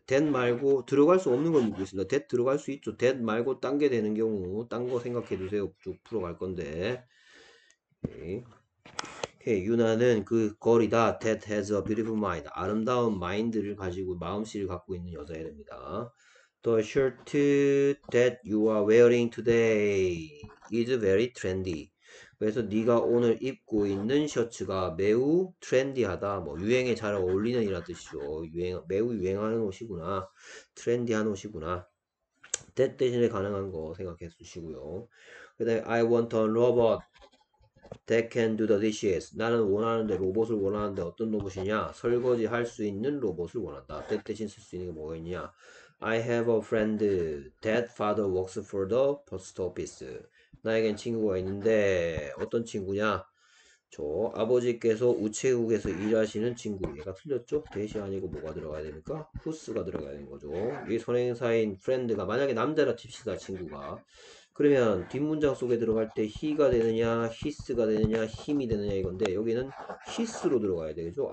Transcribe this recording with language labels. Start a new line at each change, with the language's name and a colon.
Korean: that 말고 들어갈 수 없는 걸 묻고 있습니다. that 들어갈 수 있죠. that 말고 딴게 되는 경우 딴거 생각해 두세요. 쭉 풀어갈 건데. 오케이. 유나는 그 거리다.
English: that has a beautiful mind.
Korean: 아름다운 마인드를 가지고 마음씨를 갖고 있는 여자애입니다.
English: the shirt that you are wearing today is very trendy.
Korean: 그래서 네가 오늘 입고 있는 셔츠가 매우 트렌디하다. 뭐 유행에 잘 어울리는 이란 뜻이죠. 매우 유행하는 옷이구나. 트렌디한 옷이구나. that 대신에 가능한 거 생각해 주시고요. 그다음에
English: I want a robot that can do the dishes.
Korean: 나는 원하는데 로봇을 원하는데 어떤 로봇이냐? 설거지 할수 있는 로봇을 원한다. that 대신 쓸수 있는 게 뭐가 있냐?
English: I have a friend that father works for the post office.
Korean: 나에겐 친구가 있는데 어떤 친구냐? 저 아버지께서 우체국에서 일하시는 친구. 얘가 틀렸죠? that이 아니고 뭐가 들어가야 됩니까? whose가 들어가야 되는 거죠. 이 선행사인 friend가 만약에 남자라 칩시다. 친구가. 그러면 뒷문장 속에 들어갈 때 he가 되느냐, his가 되느냐, him이 되느냐 이건데 여기는 his로 들어가야 되겠죠.